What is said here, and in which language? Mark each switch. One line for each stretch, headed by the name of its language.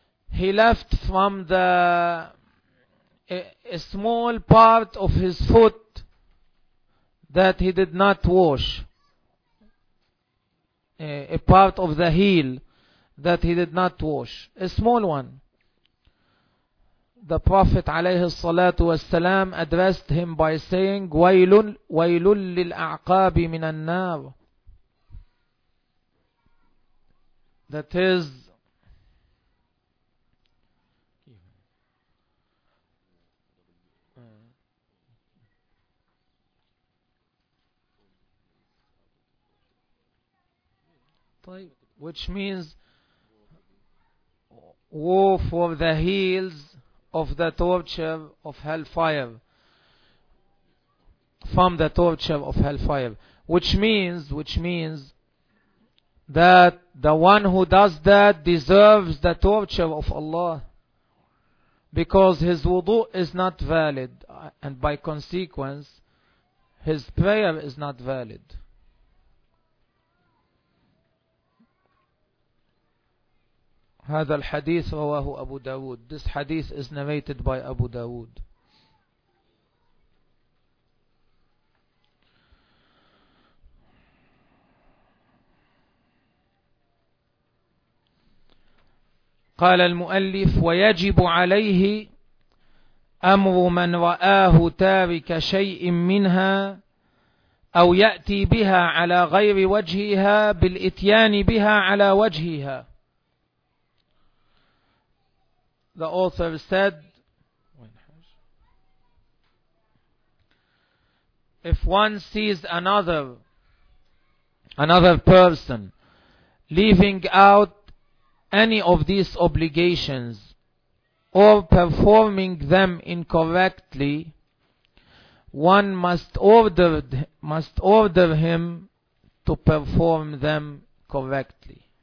English: He left from the a small part of his foot that he did not wash. A part of the heel that he did not wash. A small one. The Prophet عليه الصلاة والسلام addressed him by saying,
Arabic: وَيْلٌ وَيْلٌ لِلْأَعْقَابِ مِنَ النَّارِ.
English: That is, which means woe for the heels of the torture of hellfire, from the torture of hellfire, which means that the one who does that deserves the torture of Allah, because his wudu is not valid, and by consequence his prayer is not valid.
Arabic: هذا الحديث رواه أبو داود.
English: This hadith is narrated by Abu Dawood.
Arabic: قال المؤلف ويجب عليه أمر من رآه تارك شيء منها أو يأتي بها على غير وجهها بالإتيان بها على وجهها.
English: The author said, if one sees another person leaving out any of these obligations or performing them incorrectly, one must order him to perform them correctly.